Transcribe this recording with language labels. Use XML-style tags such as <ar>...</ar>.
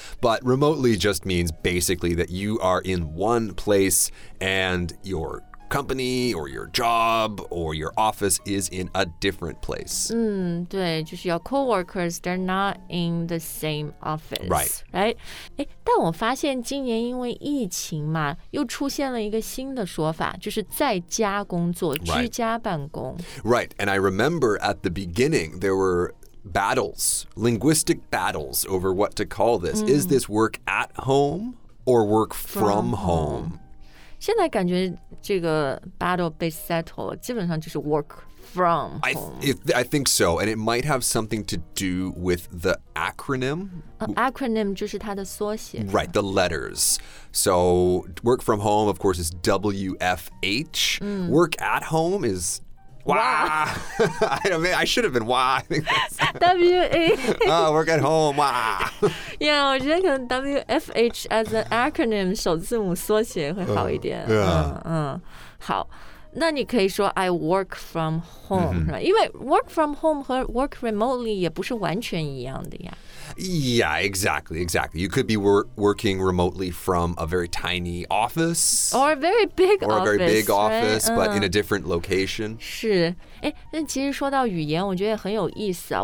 <en>But remotely just means basically that you are in one place and you're... company or your job or your office is in a different place.</en> <zh>对就是</zh> <en>your coworkers, they're not in the same office. Right. Right?</en> <zh>但我发现今年因为疫情嘛又出现了一个新的说法就是在家工作、</zh> <en>right.</en> <zh>居家办公。</zh> <en>Right. And I remember at the beginning, there were battles, linguistic battles over what to call this.、Mm. Is this work at home or work from home?</en> <zh>现在感觉这个 battle 被 settled 了，基本上就是</zh> <en>work from home. I think so, and it might have something to do with the acronym.</en> <zh>Acronym 就是它的缩写。</zh> <en>Right, the letters. So work from home, of course, is WFH.、嗯、 work at home is... Wow. I should have been wow. W-A. Oh, work at home. Wow. Yeah, I think W-F-H as an acronym,</en> <zh>首字母缩写会好一点。好。那你可以说</zh> <en>I work from home,、 mm-hmm. right?</en> <zh>因为</zh> <en>work from home</en> <zh>和</zh> <en>work remotely</en> <zh>也不是完全一样的呀。</zh> <en>Yeah, exactly, exactly. You could be working remotely from a very tiny office. Or a very big office, Or a very big office,、 right? but in a different location.</en> <zh>是。诶，那其实说到语言，我觉得也很有意思啊。</zh>